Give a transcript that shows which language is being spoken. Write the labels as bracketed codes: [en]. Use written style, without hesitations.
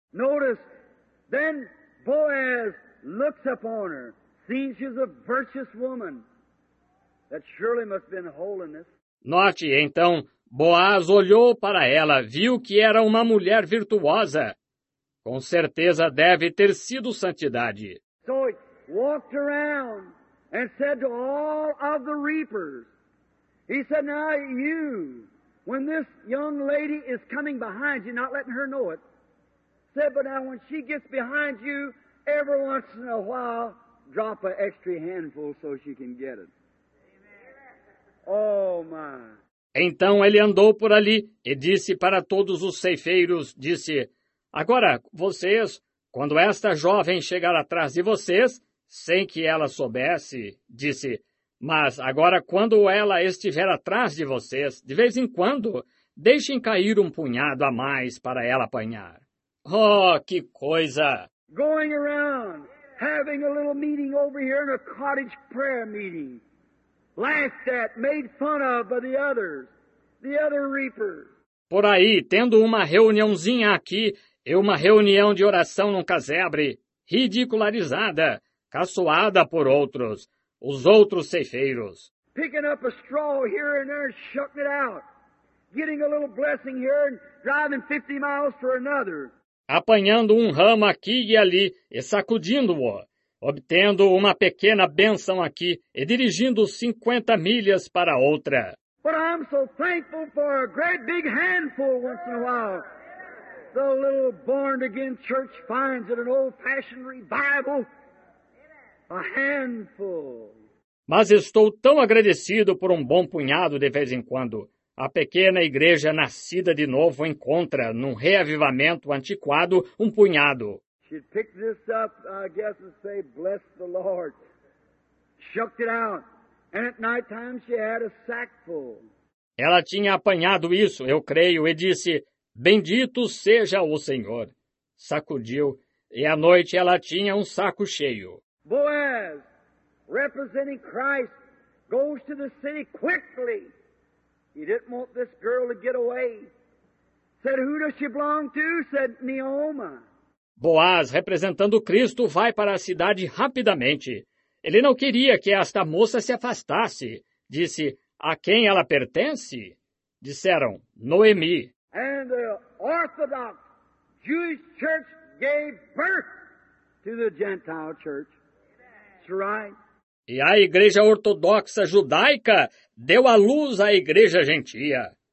[en] Notice, then Boaz looks upon her, sees she's a virtuous woman, that surely must have been holiness. [pt] Note, então, Boaz olhou para ela, viu que era uma mulher virtuosa. Com certeza deve ter sido santidade. [en] So, walked around and said to all of the reapers, he said, now you, when this young lady is coming behind you, not letting her know it, said, but now when she gets behind you, every once in a while, drop an extra handful so she can get it. Oh, my. [pt] Então ele andou por ali e disse para todos os ceifeiros, disse, agora, vocês, quando esta jovem chegar atrás de vocês, sem que ela soubesse, disse, Mas agora, quando ela estiver atrás de vocês, de vez em quando, deixem cair um punhado a mais para ela apanhar. Oh, que coisa! [en] Going around, having a little meeting over here in a cottage prayer meeting. Laughed at, made fun of by the other reapers. [pt] Por aí, tendo uma reuniãozinha aqui, e uma reunião de oração num casebre, ridicularizada, caçoada por outros, os outros ceifeiros. [en] Picking up a straw here and there and shucking it out. Getting a little blessing here and driving 50 miles for another. [pt] Apanhando um ramo aqui e ali e sacudindo-o, obtendo uma pequena bênção aqui e dirigindo 50 milhas para outra. [en] But I'm so thankful for a great big handful once in a while. The little born-again church finds it an old-fashioned revival. A handful. [pt] Mas estou tão agradecido por um bom punhado de vez em quando. A pequena igreja nascida de novo encontra, num reavivamento antiquado, um punhado. [en] She picked this up, I guess, and say, bless the Lord. Shucked it out. And at night time she had a sackful. [pt] Ela tinha apanhado isso, eu creio, e disse, bendito seja o Senhor. Sacudiu, e à noite ela tinha um saco cheio. [en] Boaz, representing Christ, goes to the city quickly. He didn't want this girl to get away. Said, who does she belong to? Said, Naomi. [pt] Boaz, representando Cristo, vai para a cidade rapidamente. Ele não queria que esta moça se afastasse. Disse, a quem ela pertence? Disseram, Noemi. [en] And the Orthodox Jewish church gave birth to the Gentile church. That's right. [pt] E a igreja ortodoxa judaica deu à luz à igreja gentia.